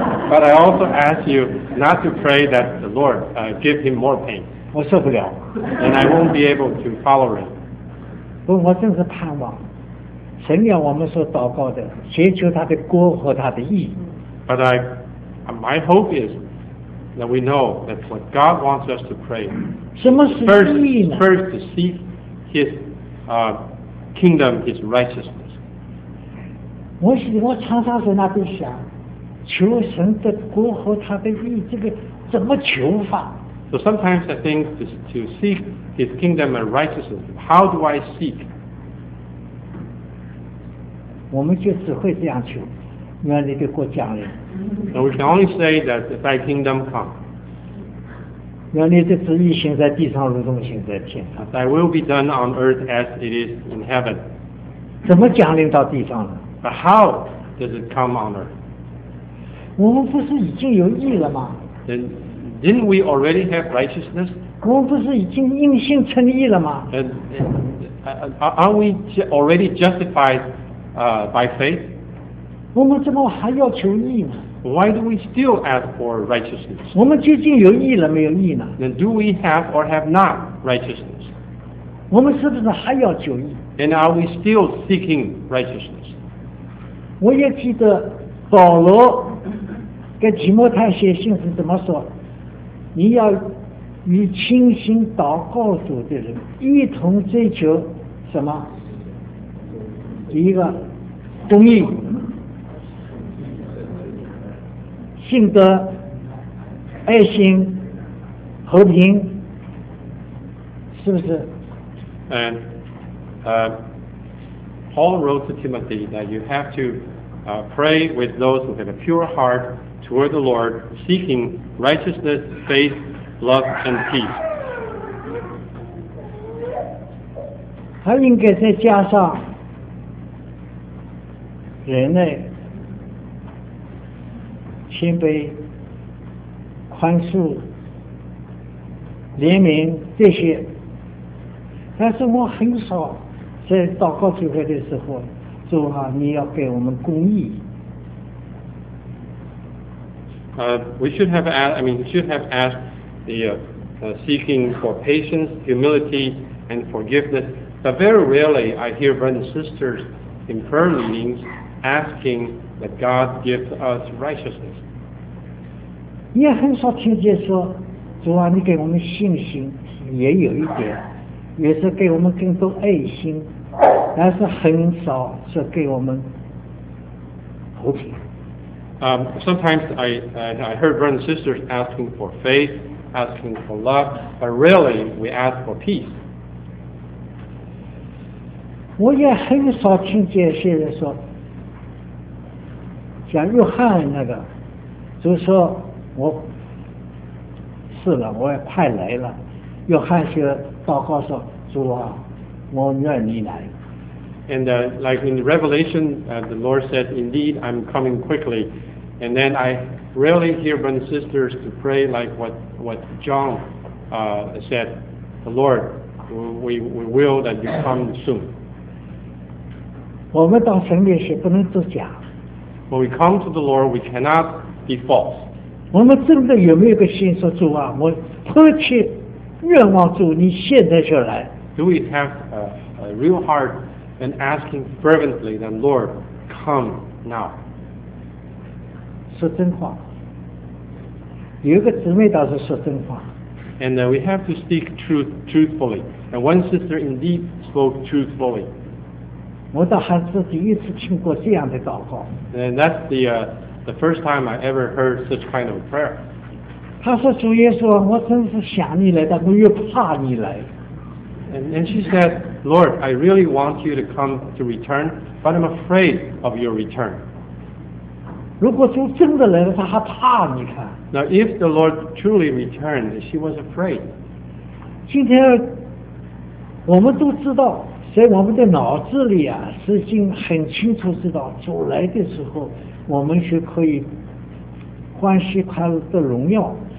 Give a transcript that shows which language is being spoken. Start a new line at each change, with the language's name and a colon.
English: But I also ask you not to pray that the Lord give him more pain.
Chinese: 我受不了。
English: And I won't be able to follow him.
Chinese: 不过我真是盼望，神要我们所祷告的，寻求他的国和他的义。
English: But my hope is. That we know that what God wants us to pray.
Chinese: 什么是义呢？
English: First to seek His kingdom, His righteousness.
Chinese: 我常常在那边想，求神的国和他的义，这个怎么求法？
English: So sometimes I think to seek His kingdom and righteousness. How do I seek?
Chinese: 我们就只会这样求。愿你的国降临。
English: So we can only say that thy kingdom come.
Chinese: 愿你的旨意行在地上，如同行在天上。
English: Thy will be done on earth as it is in heaven.
Chinese: 怎么降临到地上呢？
English: But how does it come on earth?
Chinese: 我们不是已经有义了吗？
English: Then, didn't we already have righteousness?
Chinese: 我们不是已经因信称义了吗？
English: Aren't we already justified by faith?
Chinese: 我们怎么还要求义呢？
English: Why do we still ask for righteousness?
Chinese: 我们究竟有义了没有义呢？
English: Then do we have or have not righteousness?
Chinese: 我们是不是还要求义？
English: And are we still seeking righteousness?
Chinese: 我也记得保罗给提摩太写信是怎么说，你要与清心祷告主的人一同追求什么？第一个公义、信德、爱心、和平，是不是？
English: And Paul wrote to Timothy that you have to pray with those who have a pure heart toward the Lord, seeking righteousness, faith, love, and peace.
Chinese: 还应该再加上忍耐、谦卑、宽恕、怜悯这些。但是我很少在祷告聚会的时候，主啊，你要给我们公义。
English: We should have asked the seeking for patience, humility, and forgiveness. But very rarely I hear brothers and sisters in prayer meetings asking that God give us righteousness.
Chinese: 也很少听见说，主啊，你给我们信心，也有一点，也是给我们更多爱心，但是很少是给我们和平。
English: Sometimes I heard brothers and sisters asking for faith, asking for love, but really we ask for peace.
Chinese: 我也很少听见些人说，像约翰那个，就是说我死了，我也派来了。约翰就祷告说：“主啊，我愿你来。”
English: And like in Revelation, the Lord said, "Indeed, I'm coming quickly." And then I rarely hear brothers and sisters to pray like what John said, the Lord, we will that you come soon.
Chinese: 我们到神面前不能作假。
English: When we come to the Lord, we cannot be false.
Chinese: 我们真的有没有个心说主啊，我迫切愿望主你现在就来。
English: Do we have a real heart and asking fervently that Lord, come now?
Chinese: 说真话，有一个姊妹倒是说真话。
English: And we have to speak truthfully. And one sister indeed spoke truthfully.
Chinese: 我倒还是第一次听过这样的祷告。
English: And that's the first time I ever heard such kind of prayer.
Chinese: 她说：“主耶稣，我真是想你来，但我又怕你来。”
English: And she said, "Lord, I really want you to come to return, but I'm afraid of your return."
Chinese: 如果主真的来了，他还怕你看。
English: Now if the Lord truly returned, she was afraid.
Chinese: 今天我们都知道，在我们的脑子里啊，是已经很清楚知道，主来的时候，我们是可以欢喜他的荣耀。